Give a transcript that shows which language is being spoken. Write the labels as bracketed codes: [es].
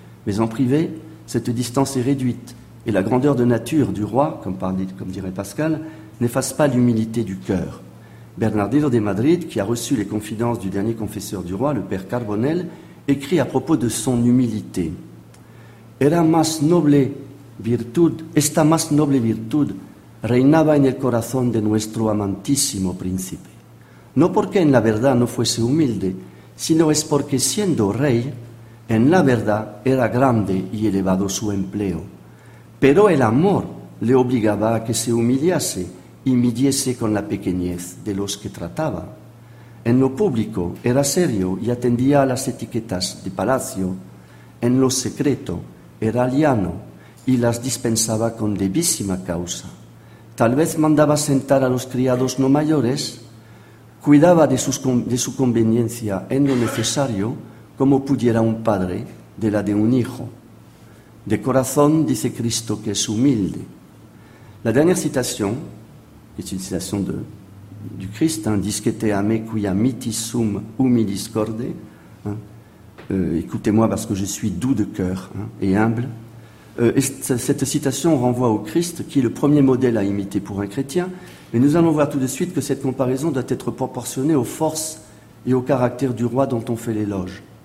[fr] Mais en privé, cette distance est réduite, et la grandeur de nature du roi, comme dirait Pascal, n'efface pas l'humilité du cœur. Bernardino de Madrid, qui a reçu les confidences du dernier confesseur du roi, le père Carbonel, écrit à propos de son humilité. [es] « Era más noble virtud, esta más noble virtud reinaba en el corazón de nuestro amantísimo príncipe. No porque en la verdad no fuese humilde, sino es porque siendo rey, en la verdad era grande y elevado su empleo. Pero el amor le obligaba a que se humillase y midiese con la pequeñez de los que trataba. En lo público era serio y atendía a las etiquetas de palacio. En lo secreto era liano y las dispensaba con debísima causa. Tal vez mandaba sentar a los criados no mayores, cuidaba de su conveniencia en lo necesario, como pudiera un padre de la de un hijo. De corazón dice Cristo que es humilde. [fr] La dernière citation, qui est une citation du Christ, hein, [la] discete a me quia mitis sum humilis corde, [fr] hein, écoutez-moi parce que je suis doux de cœur, hein, et humble. Cette citation renvoie au Christ, qui est le premier modèle à imiter pour un chrétien, mais nous allons voir tout de suite que cette comparaison doit être proportionnée aux forces et au caractère du roi dont on fait l'éloge.